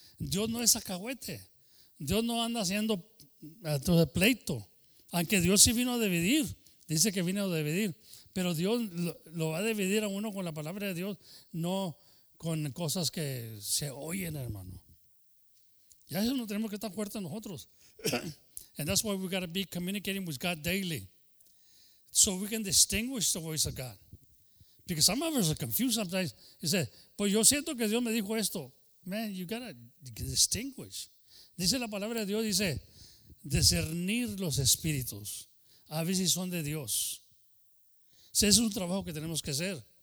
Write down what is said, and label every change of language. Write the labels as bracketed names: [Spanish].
[Spanish] Dios no es acahuete. Dios no anda haciendo pleito. Aunque Dios sí vino a dividir, dice que vino a dividir, pero Dios lo va a dividir a uno con la palabra de Dios, no con cosas que se oyen, hermano. Y a eso no tenemos que estar fuertes nosotros. [English] And that's why we got to be communicating with God daily, so we can distinguish the voice of God. Because some of us are confused sometimes. He said, [Spanish] pues yo siento que Dios me dijo esto. [English] Man, you got to distinguish. [Spanish] Dice la palabra de Dios, dice, discernir los espíritus. A ver si son de Dios. Si ese es un trabajo que tenemos que hacer.